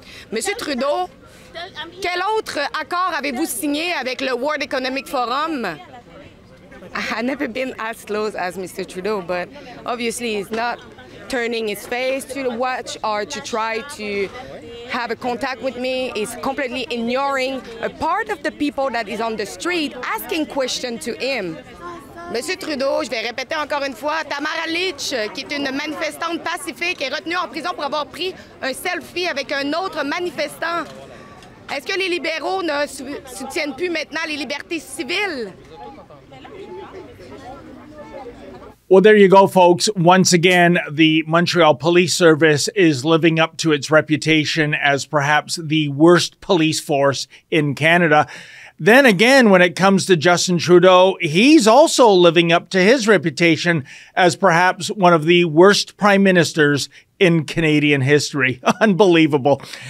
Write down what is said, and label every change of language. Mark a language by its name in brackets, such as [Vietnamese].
[French] Monsieur Trudeau, quel autre accord avez-vous signé avec le World Economic Forum? [English] I've never been as close as Mr. Trudeau, but obviously he's not turning his face to watch or to try to have a contact with me. He's completely ignoring a part of the people that is on the street asking questions to him. [French] Monsieur Trudeau, je vais répéter encore une fois, Tamara Leach, qui est une manifestante pacifique, est retenue en prison pour avoir pris un selfie avec un autre manifestant. Est-ce que les libéraux ne soutiennent plus maintenant les libertés civiles? [English] Well, there you go, folks. Once again, the Montreal Police Service is living up to its reputation as perhaps the worst police force in Canada. Then again, when it comes to Justin Trudeau, he's also living up to his reputation as perhaps one of the worst prime ministers in Canadian history. Unbelievable.